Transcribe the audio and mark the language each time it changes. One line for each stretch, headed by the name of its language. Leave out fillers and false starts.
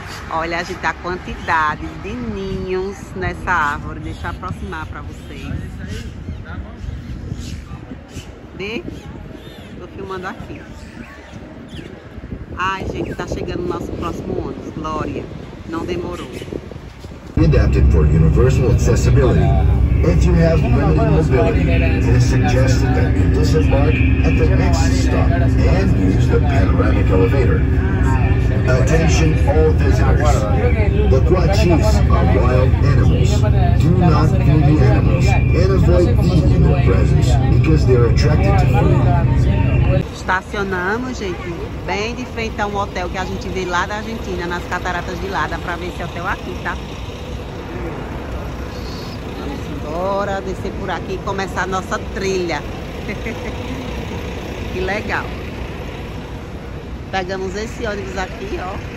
Portuguese: Olha, gente, a quantidade de ninhos nessa árvore. Deixa eu aproximar para vocês. Olha isso aí. Tá bom. Vê? Tô filmando aqui. Ai, gente, tá chegando o nosso próximo ônibus. Glória. Não demorou.
English: Adapted for universal accessibility. If you have limited mobility, it is suggested that you disembark at the next stop and use the panoramic elevator. Attention all visitors. The Guachis are wild animals. Do not view the animals and avoid eating in their presence because they are attracted to food.
Portuguese: Estacionamos, gente, bem de frente a um hotel que a gente vê lá da Argentina, nas cataratas de lá. Dá pra ver esse hotel aqui, tá? Bora descer por aqui e começar a nossa trilha. Que legal. Pegamos esse ônibus aqui, ó.